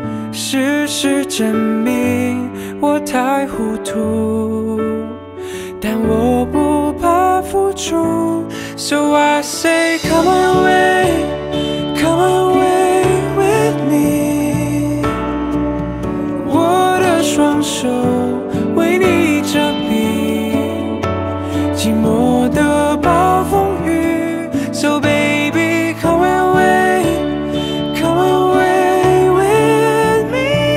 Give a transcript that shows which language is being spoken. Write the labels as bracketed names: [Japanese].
[Chinese] 事实证明我太糊涂，但我不怕付出。 [English] So I say, come my way, come my way with me. [Chinese] 我的双手为你遮蔽寂寞的暴风雨。 [English] So baby, come my way, come my way with me.